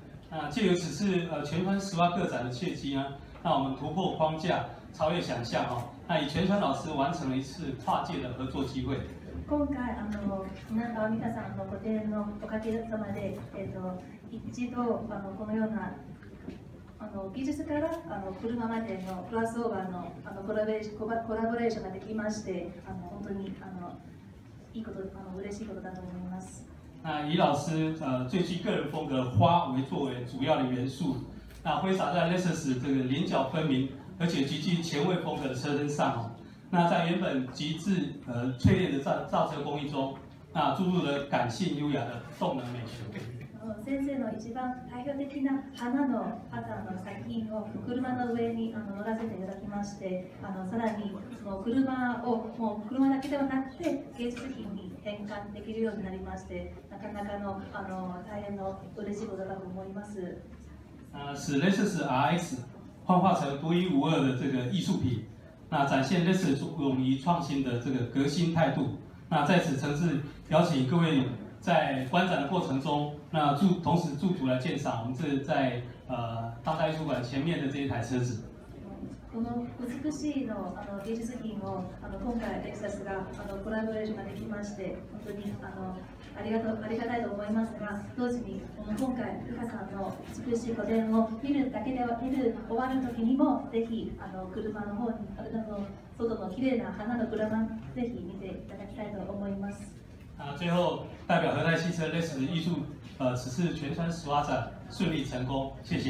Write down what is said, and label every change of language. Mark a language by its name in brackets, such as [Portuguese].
[Chinese] 那借由此次全川石蛙个展的契机呢，那我们突破框架，超越想象哦。那以全川老师完成了一次跨界的合作机会。 [Japanese] 今回あの皆川美香さんの個展のおかげさまで一度あのこのようなあの技術からあの車までのクロスオーバーのあのコラボレーションができまして、あの本当にあのいいこと、あの嬉しいことだと思います。 [Chinese] 那李老师最具个人风格花为作为主要的元素，那挥洒在 Lexus 这个棱角分明而且极具前卫风格的车身上哦，那在原本极致淬炼的造车工艺中，那注入了感性优雅的动能美学。 [Japanese] 先生の一番代表的な花のパターンの作品を車の上に乗らせていただきまして、あのさらにその車をもう車だけではなくて芸術品に変換できるようになりまして、なかなかのあの大変の嬉しいことだと思います。 [Chinese] 使 Lexus RX 幻化成独一无二的这个艺术品，那展现 Lexus 勇于创新的这个革新态度。那在此诚挚邀请各位在观展的过程中，那同时驻足来鉴赏我们这在当代艺术馆前面的这一台车子。 [Japanese] この美しいのあの芸術品をあの今回レクサスがあのコラボレーションができまして本当にあのありがたいと思いますが、同時にこの今回ルカさんの美しい個展を見るだけでは見る終わる時にもぜひあの車の方にあの外の綺麗な花の車ぜひ見ていただきたいと思います。 [Chinese] 最后代表和泰汽车Lexus艺术此次全川石蛙展顺利成功，谢谢。